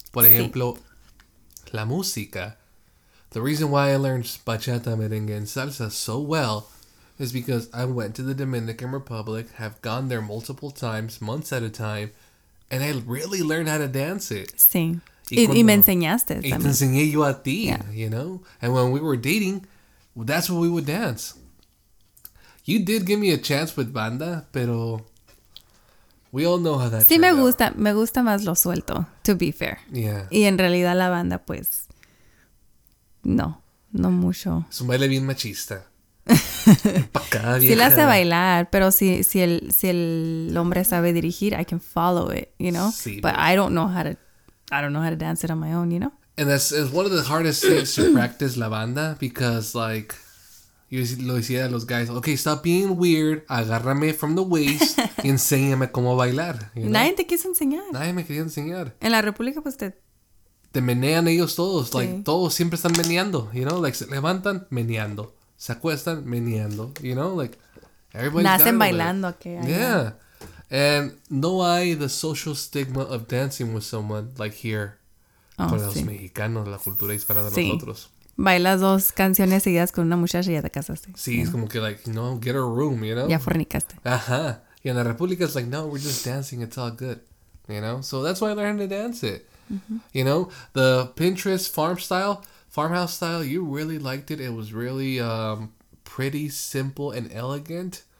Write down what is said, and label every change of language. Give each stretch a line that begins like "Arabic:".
Spanish: Por ejemplo, sí. La música.
English: The reason why I learned bachata, merengue, and salsa so well is because I went to the Dominican Republic, have gone there multiple times, months at a time, and I really learned how to dance it.
Spanish: Sí. Y me enseñaste. Y te enseñé yo a ti,
English: yeah. You know? And when we were dating, that's what we would dance. You did give me a chance with banda, pero we all know how that turned out.
Spanish: Sí, me gusta más lo suelto,
English: to be fair. Yeah.
Spanish: Y en realidad la banda, pues, no mucho. Es un baile bien machista. Si la hace bailar, pero si el hombre sabe dirigir,
English: I can follow it, you know.
Spanish: Sí,
English: but bien. I don't know how to dance it on my own, you know. And that's one of the hardest things to practice la banda because like you
Spanish: lo decía a los
English: guys, okay, stop being weird, agárrame from the waist
Spanish: y enséñame cómo bailar.
English: You know?
Spanish: Nadie te quiso enseñar. Nadie me quería enseñar. En la República pues te menean ellos todos, sí. Like todos siempre están meneando,
English: you know, like
Spanish: se levantan meneando. Se acuestan meneando,
English: you know, like
Spanish: everybody. Nacen bailando, okay.
English: Yeah. And
Spanish: no hay
English: the social stigma of dancing with someone like here. Oh,
Spanish: con sí. Los mexicanos, la cultura hispana de sí. Nosotros. Bailas dos canciones seguidas con una muchacha y ya te casaste. Sí, es know? Como que,
English: like, no, get a room, you know.
Spanish: Ya fornicaste. Ajá. Y en la República es
English: like, no, we're just dancing, it's all good, you know. So that's why I learned to dance it. Mm-hmm. You know, the Pinterest farmhouse style, you really liked it. It was really pretty, simple, and elegant.